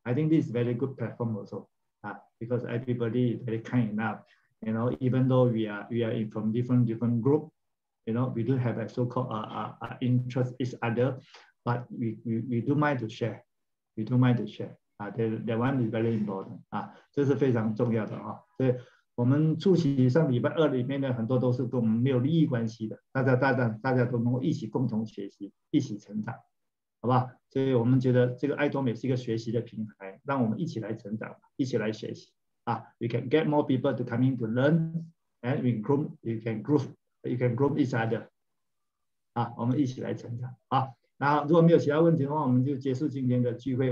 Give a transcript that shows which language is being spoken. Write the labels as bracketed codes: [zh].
[en] I think this is a very good platform also, because everybody is very kind enough, you know, even though we are from different groups,You know, we do have a so-called interest each other, but we do mind to share. We do mind to share. That one is very important. [zh] 这是非常重要的啊。所以我们出席上礼拜二里面的很多都是跟我们没有利益关系的，大家都能够一起共同学习，一起成长，好吧？所以我们觉得这个爱多美是一个学习的平台，让我们一起来成长，一起来学习啊。 [en] We can get more people to come in to learn, and we grow. We can grow. You can group each other. [zh] 我们一起来成长。然后如果没有其他问题的话，我们就结束今天的聚会。